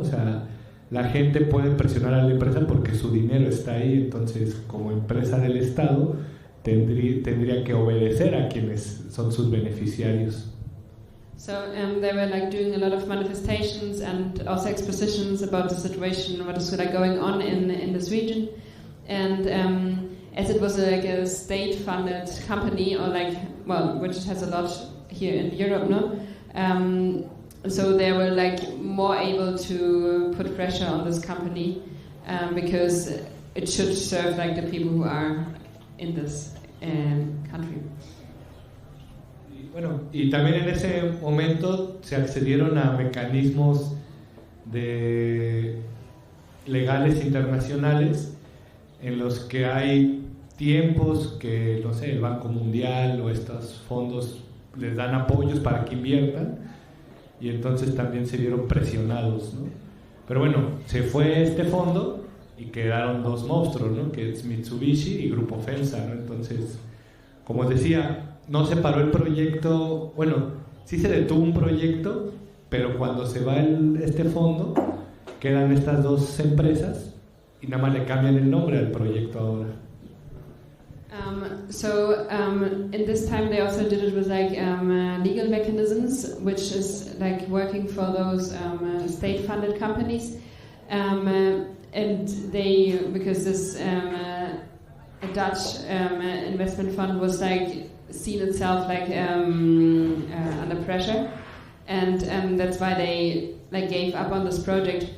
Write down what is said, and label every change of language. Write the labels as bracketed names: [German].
[Spanish] O sea, la gente puede presionar a la empresa porque su dinero está ahí, entonces como empresa del Estado tendría que obedecer a quienes son sus beneficiarios. [English] So they were like doing a lot of manifestations and also expositions about the situation, what is like going on in this region, and as it was like a state-funded company or like, well, which has a lot here in Europe, no? So they were like more able to put pressure on this company because it should serve like the people who are in this country. [Spanish] Bueno, y también en ese momento se accedieron a mecanismos de legales internacionales en los que hay tiempos que, no sé, el Banco Mundial o estos fondos les dan apoyos para que inviertan, y entonces también se vieron presionados, ¿no? Pero bueno, se fue este fondo y quedaron dos monstruos, ¿no?, que es Mitsubishi y Grupo FEMSA, ¿no? Entonces, como decía, no se paró el proyecto, bueno, sí se detuvo un proyecto, pero cuando se va este fondo, quedan estas dos empresas y nada más le cambian el nombre al proyecto ahora. [English] So in this time they also did it with like legal mechanisms, which is like working for those state-funded companies, and they, because this a Dutch investment fund was like seen itself like under pressure, and that's why they like gave up on this project.